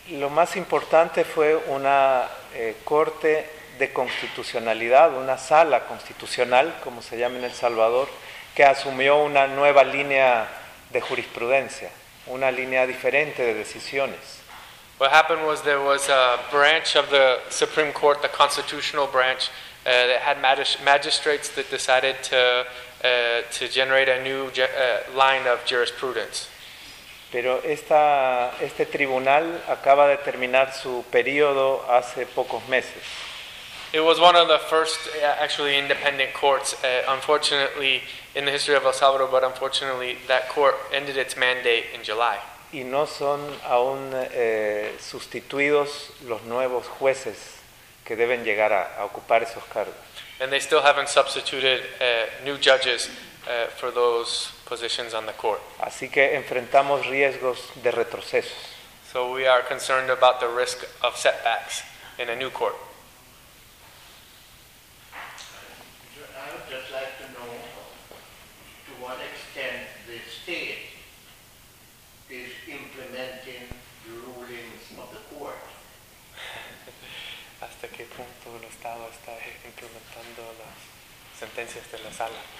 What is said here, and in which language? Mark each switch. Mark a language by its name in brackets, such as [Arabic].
[Spanish] Más importante fue una corte de constitucionalidad, una sala constitucional, como se llama en El Salvador, que asumió una nueva línea de jurisprudencia, una línea diferente de decisiones. [English] What happened was there was a branch of the Supreme Court, the constitutional branch, that had magistrates that decided to generate a new line of jurisprudence. [Spanish] Pero este tribunal acaba de terminar su periodo hace pocos meses. [English] It was one of the first actually independent courts, unfortunately, in the history of El Salvador, but unfortunately that court ended its mandate in July. [Spanish] Y no son aún sustituidos los nuevos jueces que deben llegar a ocupar esos cargos. [English] And they still haven't substituted new judges for those positions on the court. [Spanish] Así que enfrentamos riesgos de retrocesos. [English] So we are concerned about the risk of setbacks in a new court. I would just like to know to what extent the state is implementing the rulings of the court. [Spanish] Hasta qué punto el Estado está implementando las sentencias de la sala.